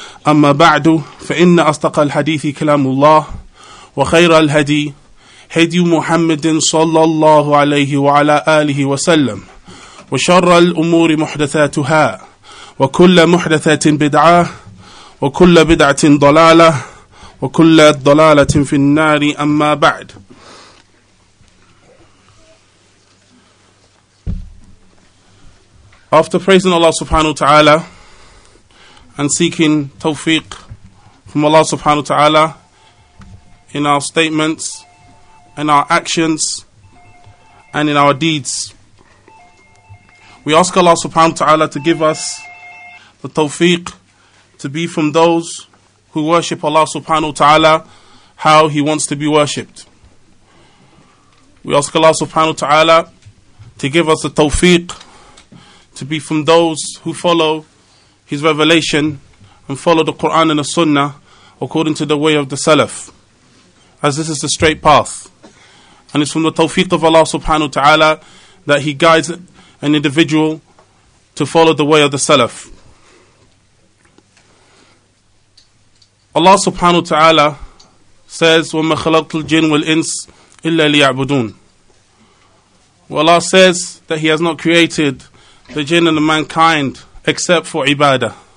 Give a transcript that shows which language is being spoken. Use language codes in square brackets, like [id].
[ar] أما بعد، فإن أصدق الحديث كلام الله وخير الهدي هدي محمد صلى الله عليه وعلى آله وسلم وشر الأمور محدثاتها وكل محدثة بدعة وكل بدعة ضلالة وكل ضلالة في النار. أما بعد، [en] after praising Allah subhanahu wa ta'ala and seeking tawfiq from Allah subhanahu wa ta'ala in our statements, in our actions, and in our deeds, we ask Allah subhanahu wa ta'ala to give us the tawfiq to be from those who worship Allah subhanahu wa ta'ala how He wants to be worshipped. We ask Allah subhanahu wa ta'ala to give us the tawfiq to be from those who follow His revelation and follow the Quran and the Sunnah according to the way of the Salaf, as this is the straight path. And it's from the tawfiq of Allah subhanahu wa ta'ala that He guides an individual to follow the way of the Salaf. Allah subhanahu wa ta'ala says, [ar] وَمَا خَلَقْتُ الْجِنِّ وَالْإِنسِ إِلَّا لِيَعْبُدُونَ. [en] Allah says that He has not created the jinn and the mankind except for ibadah.